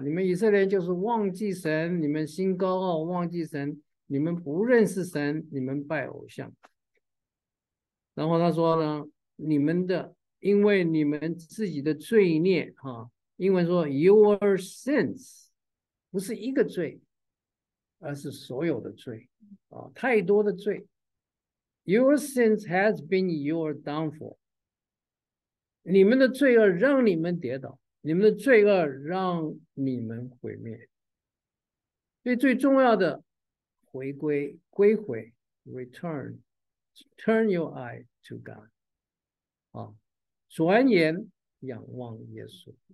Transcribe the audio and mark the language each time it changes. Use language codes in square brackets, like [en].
[zh] 你们以色列就是忘记神，你们心高傲，忘记神，你们不认识神，你们拜偶像。然后他说呢，你们的因为你们自己的罪孽啊，英文说 [en] your sins， [zh] 不是一个罪，而是所有的罪啊，太多的罪。 [en] Your sins has been your downfall。 [zh] 你们的罪恶让你们跌倒，你们的罪恶让你们毁灭。所以最重要的，回归、归回， [en] return，turn your eye to God。 [zh] 啊，转眼仰望耶稣。